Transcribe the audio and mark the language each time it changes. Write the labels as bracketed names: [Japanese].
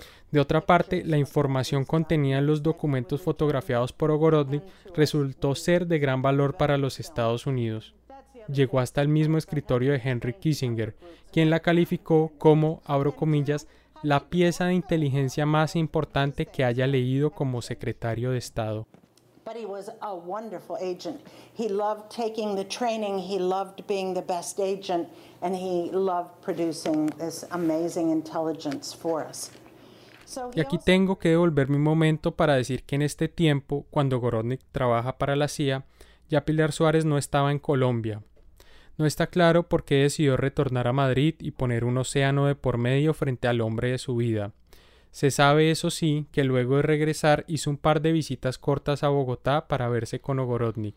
[Spanish] De otra parte, la información contenida en los documentos fotografiados por Ogorodnik resultó ser de gran valor para los Estados Unidos. Llegó hasta el mismo escritorio de Henry Kissinger, quien la calificó como, abro comillas, la pieza de inteligencia más importante que haya leído como secretario de Estado. [English] But he was a wonderful agent. He loved taking the training, he loved being the best agent, and he loved producing this amazing intelligence for us. [Spanish] Y aquí tengo que devolverme un momento para decir que en este tiempo, cuando Gorodnik trabaja para la CIA, ya Pilar Suárez no estaba en Colombia. No está claro por qué decidió retornar a Madrid y poner un océano de por medio frente al hombre de su vida. Se sabe, eso sí, que luego de regresar hizo un par de visitas cortas a Bogotá para verse con Ogorodnik.